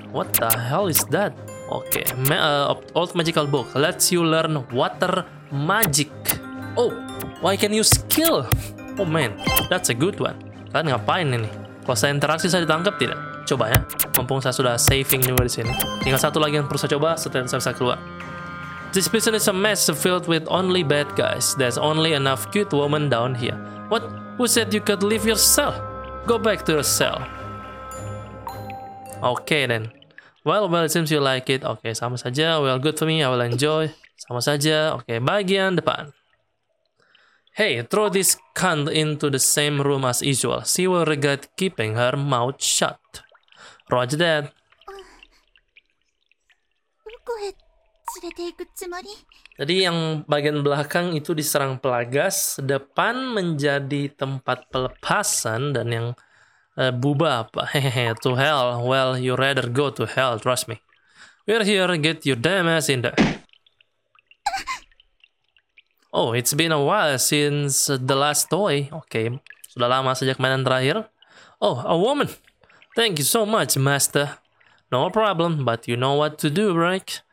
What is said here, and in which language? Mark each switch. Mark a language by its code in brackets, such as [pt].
[en] What the hell is that? Okay, old magical book. Let's you learn water magic. Oh, why can you skill? Oh man, that's a good one. [id] Kalian ngapain ini? Kalau saya interaksi, saya ditangkap tidak? Coba ya, mumpung saya sudah saving juga di sini. Tinggal satu lagi yang perlu saya coba, setelah saya bisa keluar. [en] This prison is a mess filled with only bad guys. There's only enough cute woman down here. What? Who said you could leave your cell? Go back to your cell. Okay then. Well, it seems you like it. Okay, [id] sama saja. [en] Well, good for me. I will enjoy. [id] Sama saja. Okay, bagian depan. [en] Hey, throw this cunt into the same room as usual. She will regret keeping her mouth shut. Roger that. [ja] どこへ連れて行くつもり? [id] Jadi yang bagian belakang itu diserang pelagas, depan menjadi tempat pelepasan, dan yang buba apa? [en] Hehehe, to hell. Well, you rather go to hell, trust me. We're here, get your damn ass in there. Oh, it's been a while since the last toy. Okay, [id] sudah lama sejak mainan terakhir. [en] Oh, a woman. Thank you so much, Master. No problem, but you know what to do, right?